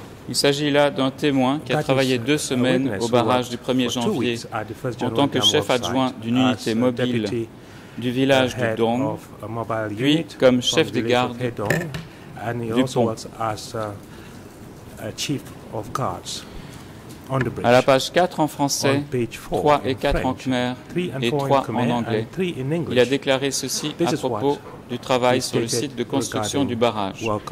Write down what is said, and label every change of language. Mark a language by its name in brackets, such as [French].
[French] Il s'agit là d'un témoin qui a travaillé deux semaines au barrage du 1er janvier en tant que chef adjoint d'une unité mobile du village de Dong, puis comme chef de garde [English] and he also works as a chief of guards. [French] À la page 4 en français, 3 et 4 en khmer et 3 en anglais, il a déclaré ceci à propos du travail sur le site de construction du barrage.